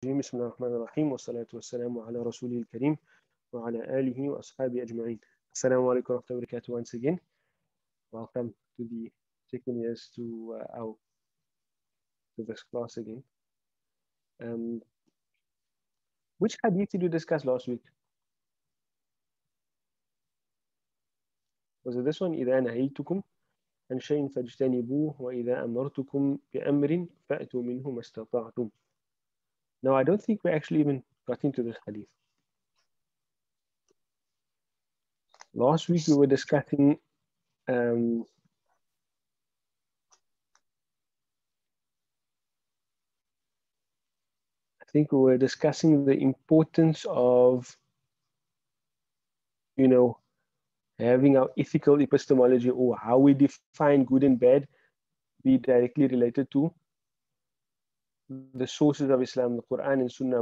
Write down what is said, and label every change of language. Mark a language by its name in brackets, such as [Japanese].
[Arabic] بسم الله الرحمن الرحيم، والصلاة والسلام على رسوله الكريم وعلى آله وأصحابه أجمعين. السلام عليكم ورحمة الله وبركاته. [English] Once again, welcome to the second years to our to this class again. Which hadith did you discuss last week? Was it this one? [Arabic] إذا نهيتكم عن شيء فاجتنبوه وإذا أمرتكم بأمر فأتوا منه ما استطعتم. [English] No, I don't think we actually even got into this hadith. Last week we were discussing I think we were discussing the importance of, you know, having our ethical epistemology, or how we define good and bad, be directly related to the sources of Islam, the Quran and Sunnah.